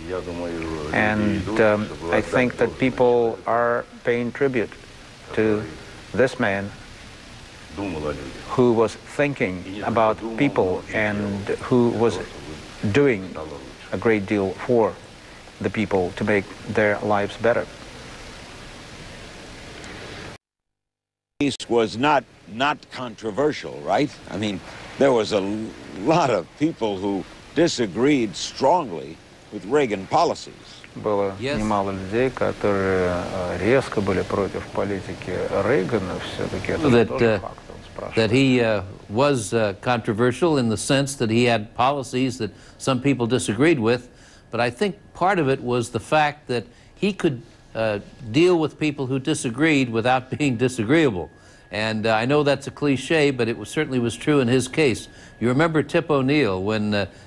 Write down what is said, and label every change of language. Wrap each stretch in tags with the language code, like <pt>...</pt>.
<en>And I think that people are paying tribute to this man who was thinking about people and who was doing a great deal for the people to make their lives better. Peace was not controversial, right? I mean, there was a lot of people who disagreed strongly with Reagan policies.</en> <ru>Было немало людей, которые резко были против политики Рейгана, всё-таки это тоже факт.</ru> <en>That he was controversial in the sense that he had policies that some people disagreed with, but I think part of it was the fact that he could deal with people who disagreed without being disagreeable. And I know that's a cliche, but it certainly was true in his case. You remember Tip O'Neill, when</en>